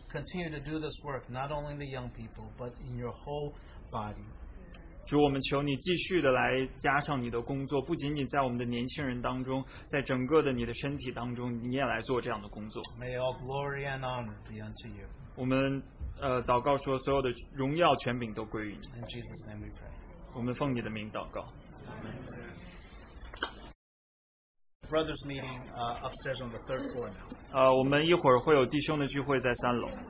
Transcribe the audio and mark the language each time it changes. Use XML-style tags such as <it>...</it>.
<en>Continue to do this work, not only in the young people, but in your whole body.</en> <zh>主，我们求你继续的来加上你的工作, 不仅仅在我们的年轻人当中, 在整个的你的身体当中, 你也来做这样的工作。</zh> <en>May all glory and honor be unto you.</en> <zh>我们 祷告说所有的荣耀权柄都归于你。</zh> <en>In Jesus' name we pray.</en> <zh>我们奉你的名祷告。</zh> <en>Amen. Brothers meeting upstairs on the third floor now.</en> <zh>我们一会儿会有弟兄的聚会在三楼。</zh>